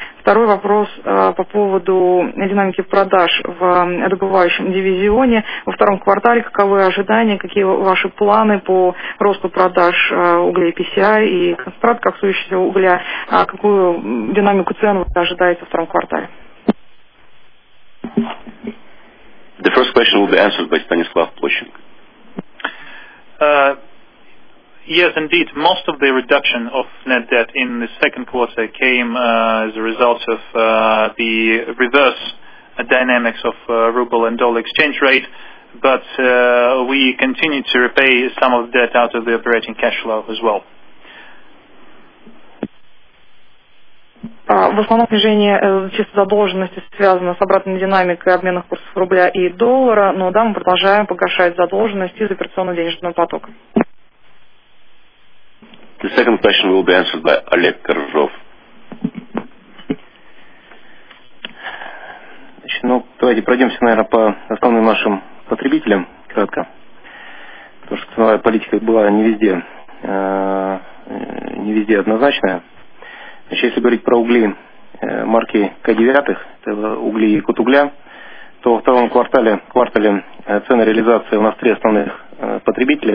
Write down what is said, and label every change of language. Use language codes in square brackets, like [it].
[ru] Второй вопрос по поводу динамики продаж в добывающем дивизионе. Во втором квартале каковы ожидания, какие ваши планы по росту продаж угля и PCI и концентрат коксующегося угля? Какую динамику цен вы ожидаете во втором квартале? [en] The first question will be answered by Stanislav Plochenko. Yes, indeed. Most of the reduction of net debt in the second quarter came as a result of the reverse dynamics of ruble and dollar exchange rate, but we continue to repay some of the debt out of the operating cash flow as well. [ru] В основном снижение чисто задолженности связано с обратной динамикой обменных курсов рубля и доллара, но да, мы продолжаем погашать задолженность из операционно-денежного потока. [en] The second question will be answered by Oleg Karzhov. [ru] Значит, ну, давайте пройдемся, наверное, по основным нашим потребителям, кратко. Потому что ценовая политика была не везде однозначная. Значит, если говорить про угли марки К9, это угли Якутугля, то во втором квартале цены реализации у нас три основных потребителя.